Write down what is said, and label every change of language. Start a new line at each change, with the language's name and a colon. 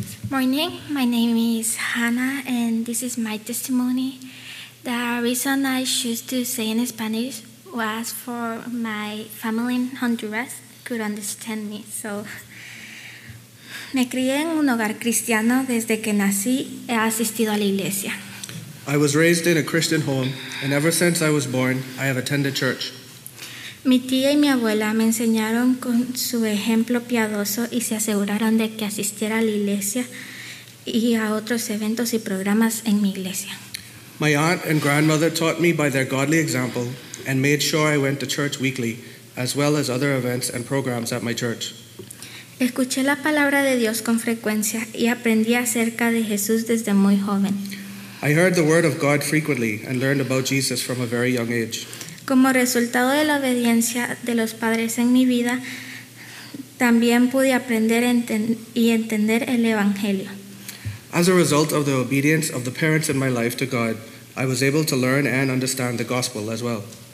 English: Morning. My name is Hannah, and this is my testimony. The reason I choose to say in Spanish was for my family in Honduras could understand me.
Spanish: So, me crié en un hogar cristiano desde que nací. He asistido a la iglesia.
English: I was raised in a Christian home, and ever since I was born, I have attended church.
Spanish: Mi tía y mi abuela me enseñaron con su ejemplo piadoso y se aseguraron de que asistiera a la iglesia y a otros eventos y programas en mi iglesia.
English: My aunt and grandmother taught me by their godly example and made sure I went to church weekly, as well as other events and programs at my church.
Spanish: Escuché la palabra de Dios con frecuencia y aprendí acerca de Jesús desde muy joven.
English: I heard the word of God frequently and learned about Jesus from a very young age.
Spanish: Como resultado de la obediencia de los padres en mi vida, también pude aprender y entender el evangelio.
English: As a result of the obedience of the parents in my life to God, I was able to learn and understand the gospel as well.